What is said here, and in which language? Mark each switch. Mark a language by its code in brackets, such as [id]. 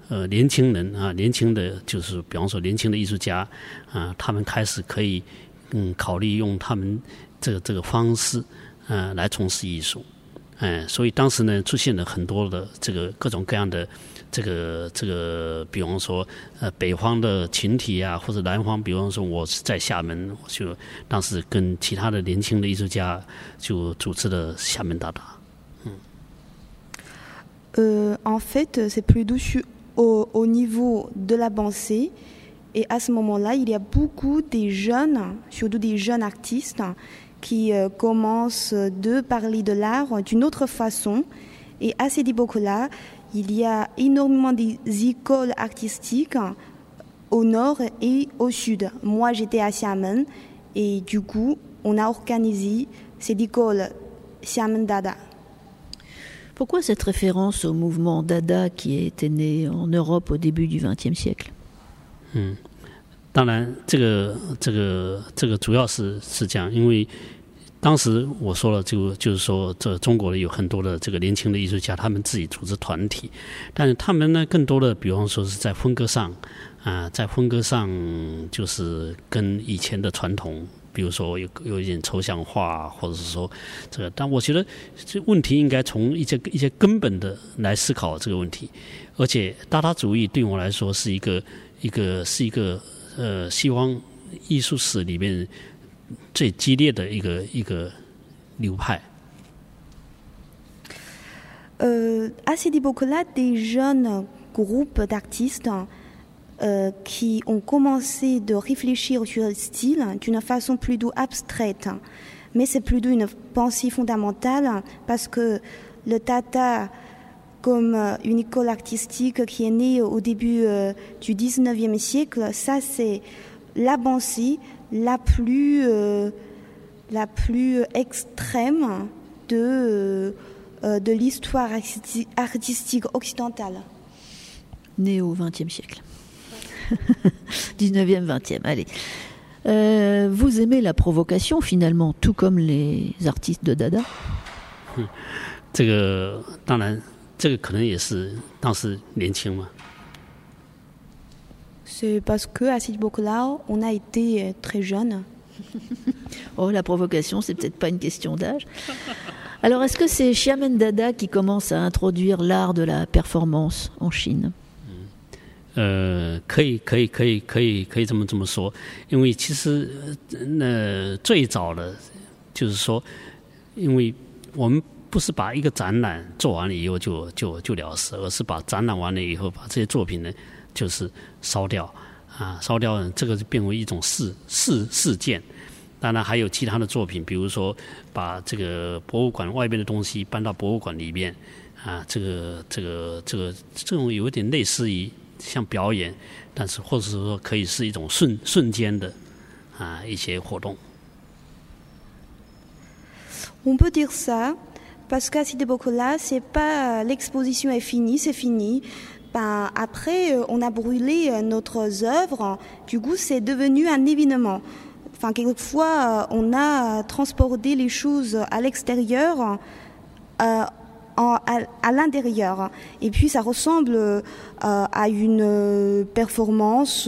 [zh] 年轻人啊，年轻的就是，比方说年轻的艺术家啊，他们开始可以考虑用他们这个方式来从事艺术，所以当时呢出现了很多的这个各种各样的这个，比方说北方的群体啊，或者南方，比方说我是在厦门，我就当时跟其他的年轻的艺术家就组织了厦门达达。 [fr] En fait, c'est plus douceau niveau de la pensée, et à ce moment-là, il y a beaucoup de jeunes, surtout des jeunes artistes, qui commencent de parler de l'art d'une autre façon. Et à cette époque-là, il y a énormément des écoles artistiques au nord et au sud. Moi, j'étais à Xiamen, et du coup, on a organisé cette école Xiamen Dada. Pourquoi cette référence au mouvement Dada qui était né en Europe au début du XXe siècle? [zh] 当然，这个主要是这样，因为当时我说了，就是说，这中国有很多的这个年轻的艺术家，他们自己组织团体，但是他们呢，更多的，比方说是在风格上，在风格上就是跟以前的传统。比如说有一点抽象化，或者是说这个，但我觉得这问题应该从一些根本的来思考这个问题。而且达达主义对我来说是一个西方艺术史里面最激烈的一个流派。 [fr] À cette époque-là, des jeunes groupes d'artistes. Qui ont commencé de réfléchir sur le style d'une façon plutôt abstraite. Mais c'est plutôt une pensée fondamentale parce que le Dada, comme une école artistique qui est née au début du 19e siècle, ça c'est la pensée la plus extrême de l'histoire artistique occidentale. Née au XXe siècle. 19e, 20e, allez. Vous aimez la provocation, finalement, tout comme les artistes de Dada? [zh] 这个当然，这个可能也是当时年轻嘛。 [fr] C'est parce qu'à cette époque-là, on a été très jeune. Oh, la provocation, c'est peut-être pas une question d'âge. Alors, est-ce que c'est Xiamen Dada qui commence à introduire l'art de la performance en Chine? [zh] 可以这么说，因为其实那最早的就是说，因为我们不是把一个展览做完了以后就了事，而是把展览完了以后把这些作品呢就是烧掉啊，烧掉这个就变为一种事件。当然还有其他的作品，比如说把这个博物馆外边的东西搬到博物馆里面啊，这种有点类似于。像表演，但是或者是说可以是一种瞬间的啊一些活动。 [fr] On peut dire ça parce qu'à cette époque-là, c'est pas l'exposition est finie, c'est fini. Ben après, on a brûlé notre œuvre. Du coup, c'est devenu un événement. Enfin, quelquefois, on a transporté les choses à l'extérieur, à l'intérieur, et puis ça ressemble à une performance.